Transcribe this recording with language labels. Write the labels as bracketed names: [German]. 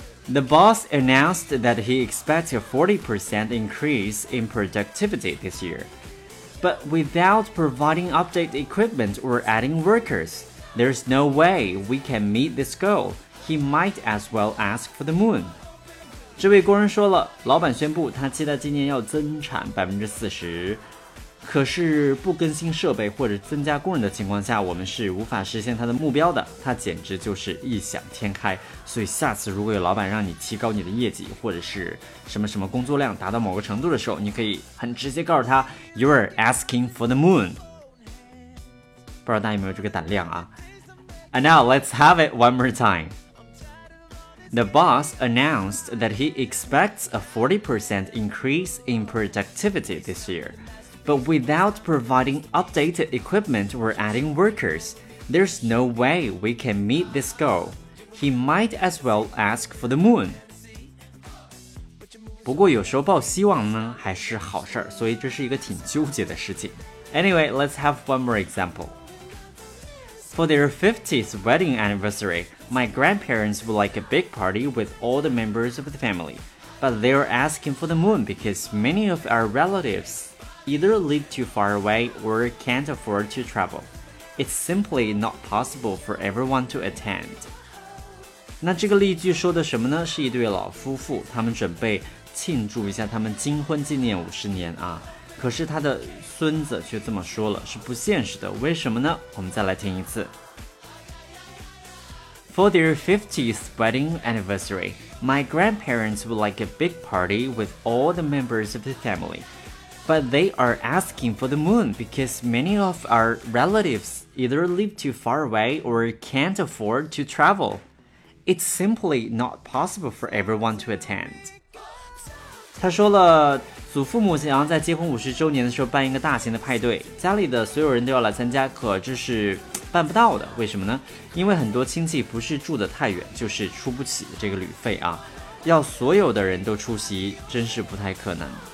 [English] The boss announced that he expects a 40% increase in productivity this year, but without providing update equipment or adding workers, there's no way we can meet this goal. He might as well ask for the moon. [Chinese] 这位工人说了，老板宣布他期待今年要增产 40%，可是不更新设备或者增加工人的情况下，我们是无法实现他的目标的。他简直就是异想天开。所以下次如果有老板让你提高你的业绩或者是什么什么工作量达到某个程度的时候，你可以很直接告诉他 [English] You're asking for the moon. [Chinese] 不知道大家有没有这个胆量啊。 [English] And now let's have it one more time. The boss announced that he expects a 40% increase in productivity this year. But without providing updated equipment or adding workers, there's no way we can meet this goal. He might as well ask for the moon. [Chinese] 不过有时候抱希望呢还是好事，所以这是一个挺纠结的事情。 [English] Anyway, let's have one more example. For their 50th wedding anniversary, my grandparents would like a big party with all the members of the family. But they're asking for the moon because many of our relatives... either live too far away or can't afford to travel. It's simply not possible for everyone to attend. [Chinese] 那这个例句说的什么呢？是一对老夫妇，他们准备庆祝一下他们金婚纪念50年啊。可是他的孙子却这么说了，是不现实的。为什么呢？我们再来听一次。 [English] For their 50th wedding anniversary, my grandparents would like a big party with all the members of the family. But they are asking for the moon because many of our relatives either live too far away or can't afford to travel. It's simply not possible for everyone to attend. [Chinese] 他说了，祖父母想要在结婚50周年的时候办一个大型的派对，家里的所有人都要来参加，可这是办不到的。为什么呢？因为很多亲戚不是住得太远，就是出不起这个旅费啊。要所有的人都出席，真是不太可能。